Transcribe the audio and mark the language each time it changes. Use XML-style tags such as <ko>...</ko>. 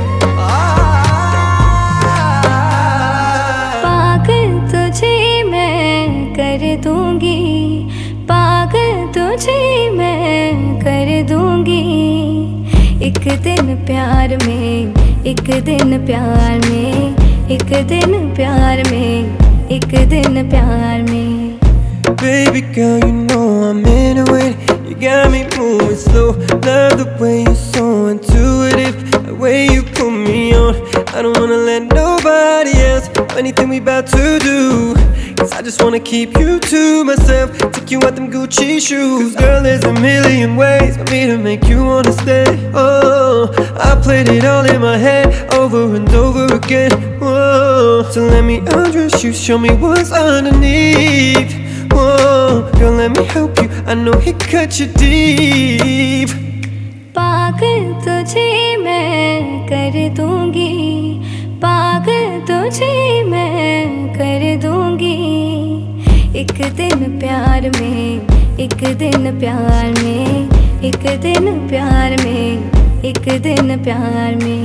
<hi>पागल तुझे मैं कर दूंगी, पागल तुझे मैं कर दूंगी, एक दिन प्यार में, एक दिन प्यार में, एक दिन प्यार में, एक दिन प्यार में।</hi> <en>Baby girl, you know I'm in a way. You got me moving slow. Love the way you're so intuitive. The way you put me on. I don't wanna let nobody else. Anything we about to do. Cause I just wanna keep you to myself. Take you out them Gucci shoes. Cause girl, there's a million ways for me to make you wanna stay. Oh, I played it all in my head over and over again. Whoa. So let me undress you, show me what's underneath. Whoa. Girl, let me help you, I know he cut you deep.</en> <hi>पागल तुझे मैं कर दूंगी, पागल तुझे मैं कर दूंगी, एक दिन प्यार में, एक दिन प्यार में, एक दिन प्यार में, एक दिन प्यार में।</hi>